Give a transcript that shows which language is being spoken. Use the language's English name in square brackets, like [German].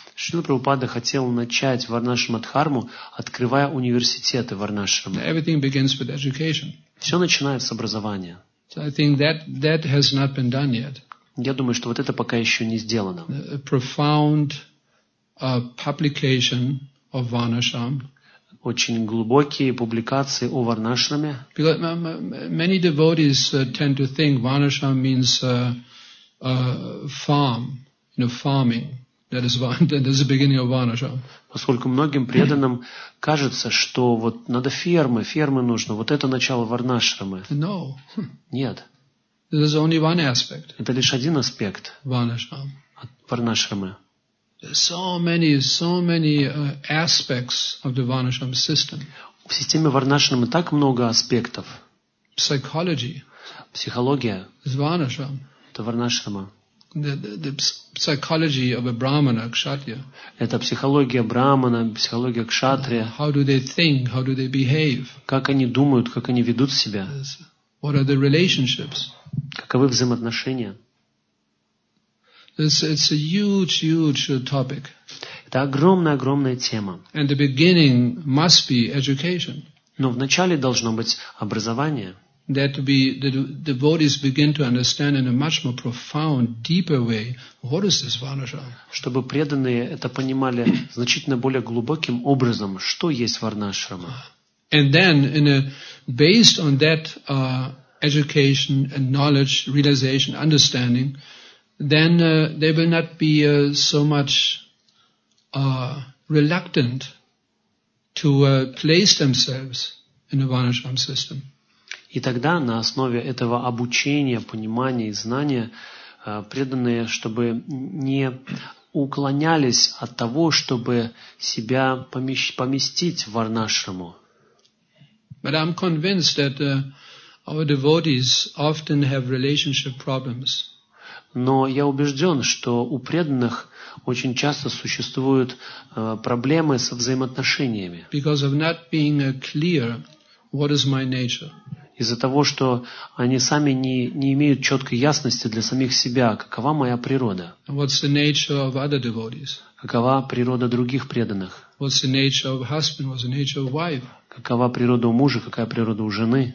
[Russian] Шрила Прабхупада хотел начать Варнашрам Дхарму, открывая университеты Варнашрама. [English] Everything begins with education. [Russian] Все начинается с образования. [English] So I think that that has not been done yet. [Russian] Я думаю, что вот это пока еще не сделано. [English] A profound publication of Varnashram. [Russian] Очень глубокие публикации о Варнашраме. [English] Because many devotees tend to think Varnashram means farm, you know, farming. That is the beginning of Varnashram. [Russian] Поскольку многим преданным кажется, что вот надо фермы, фермы нужно, вот это начало Варнашрамы. [English] No. [Russian] Нет. [English] This is only one aspect. [Russian] Это лишь один аспект Варнашрамы. [English] So many aspects of the Varnashram system. [Russian] В системе Варнашрамы так много аспектов. [English] Psychology. [Russian] Психология. [English] Is Varnashram. [Russian] Это Варнашрама. [English] The psychology of a brahmana, kshatriya. [Russian] Это психология брахмана, психология кшатрия. [English] How do they think? How do they behave? [Russian] Как они думают, как они ведут себя? [English] What are the relationships? [Russian] Каковы взаимоотношения? [English] It's a huge topic. [Russian] Это огромная тема. [English] And the beginning must be education. [Russian] Но вначале должно быть образование. [English] That to be the devotees begin to understand in a much more profound, deeper way what is this Varnashram. [Russian] Чтобы преданные это понимали значительно более глубоким образом, что есть Варнашрама. [English] And then, in a based on that education and knowledge, realization, understanding, then they will not be so much reluctant to place themselves in a Varnashram system. [Russian] И тогда на основе этого обучения, понимания и знания преданные, чтобы не уклонялись от того, чтобы себя поместить в Варнашраму. [English] But I'm convinced that our devotees often have relationship problems. [Russian] Но я убежден, что у преданных очень часто существуют проблемы со взаимоотношениями. [English] Because of not being clear what is my nature. [Russian] Из-за того, что они сами не имеют четкой ясности для самих себя, какова моя природа? [English] What's the nature of other devotees? [Russian] Какова природа других преданных? [English] What's the nature of husband? What's the nature of wife? [Russian] Какова природа у мужа, какая природа у жены?